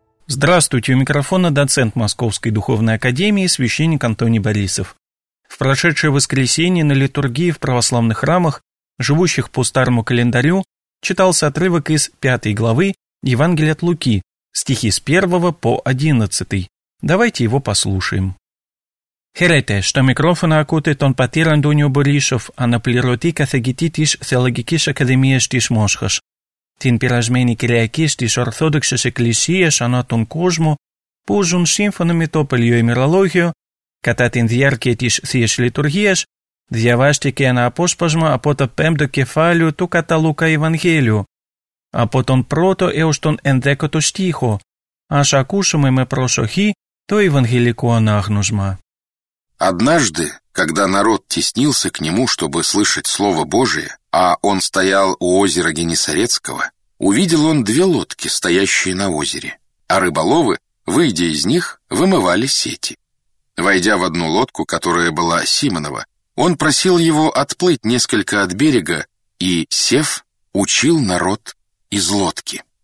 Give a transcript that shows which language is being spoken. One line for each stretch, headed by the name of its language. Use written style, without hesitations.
Russian: Здравствуйте, у микрофона доцент Московской духовной академии священник Антоний Борисов. В прошедшее воскресенье на литургии в православных храмах, живущих по старому календарю, читался отрывок из 5 главы Евангелия от Луки, стихи с 1 по 11. Давайте его послушаем.
Greek: Χαίρετε, στο μικρόφωνο ακούτε τον πατήρ Αντώνιο Μπορίσοφ, αναπληρωτή καθηγητή της Θεολογικής Ακαδημίας της Μόσχας. Την περασμένη Κυριακή στις Ορθόδοξες Εκκλησίες ανά τον κόσμο, που ζουν σύμφωνα με το παλιό ημερολόγιο, κατά την διάρκεια της Θείας Λειτουργίας, διαβάστηκε ένα απόσπασμα από το 5ο κεφάλαιο του κατά Λούκα Ευαγγέλιου, από τον 1ο έως τον 11ο στίχο. Ας ακούσουμε με προσοχή το Ευαγγελικό ανάγνωσμα.
Russian: Однажды, когда народ теснился к нему, чтобы слышать Слово Божие, а он стоял у озера Генесарецкого, увидел он две лодки, стоящие на озере, а рыболовы, выйдя из них, вымывали сети. Войдя в одну лодку, которая была Симонова, он просил его отплыть несколько от берега и, сев, учил народ из лодки.